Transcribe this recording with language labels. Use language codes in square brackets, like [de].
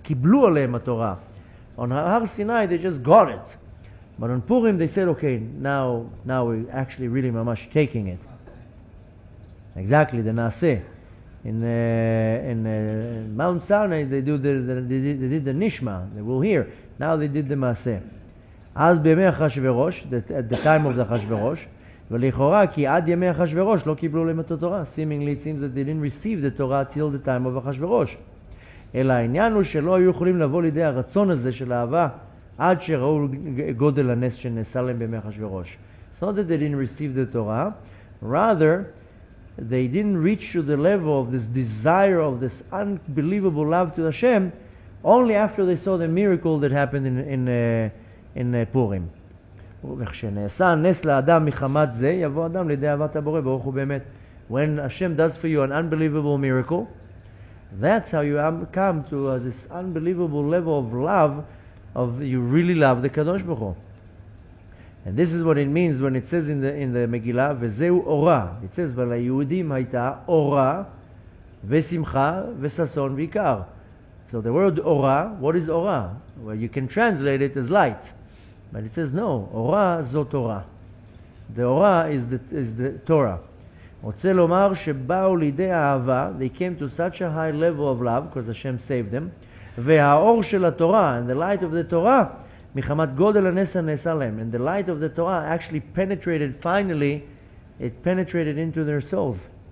[he] Kiblu aleihem haTorah. [en] On Har Sinai, they just got it. But on Purim, they said, okay, now we're actually really mamash taking it. Exactly, the Naseh. In Mount Sinai, they do they did the Nishma. They will hear. Now they did the Maseh. [he] As b'yemei HaChashverosh, [en] at the time of the HaChashverosh, [he] ולכאורה כי עד ימי אחשוורוש לא קיבלו להם את התורה. [en] Seemingly it seems that they didn't receive the Torah till the time of אחשוורוש. [he] אלא העניין הוא שלא היו יכולים לבוא לידי הרצון הזה של אהבה עד שראו גודל הנס שנעשה להם בימי אחשוורוש. [en] It's not that they didn't receive the Torah. Rather, they didn't reach to the level of this desire of this unbelievable love to Hashem only after they saw the miracle that happened in Purim. [he] וכשנעשה נס לאדם מחמת זה, יבוא אדם לידי אהבת הבורא, ברוך הוא באמת. [en] When Hashem does for you an unbelievable miracle, that's how you come to this unbelievable level of love, of you really love the Kadosh Baruch Hu. And this is what it means when it says in the Megillah, [he] וזהו אורה. [en] It says, [he] וליהודים הייתה אורה ושמחה וססון ועיקר. [en] So the word אורה, what is אורה? Well, you can translate it as light. But it says, no, [he] Ora zo Torah. [en] The Ora is the Torah. [he] Rotze lomar shebao lidei ahava, [en] they came to such a high level of love, because Hashem saved them, [he] ve'haor shel haTorah, [en] and the light of the Torah, [he] michamat godel hanes hanes alem, [en] and the light of the Torah actually penetrated, finally, it penetrated into their souls.